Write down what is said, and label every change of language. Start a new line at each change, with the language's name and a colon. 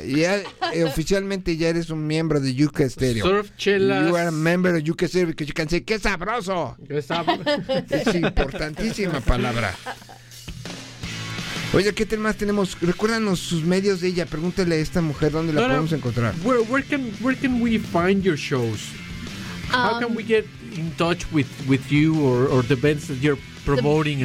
Spanish: Ya, oficialmente ya eres un miembro de Yuka Estéreo. Surf chelas.
English: You are a member of Yuka Estéreo, because you can say,
Spanish: ¡qué sabroso! ¡Qué sabroso! Es importantísima palabra. Oye, ¿qué más tenemos? Recuérdanos sus medios de ella. Pregúntele a esta mujer dónde la podemos encontrar.
English: Where can we find your shows? How can we get in touch with you or the bands that you're promoting?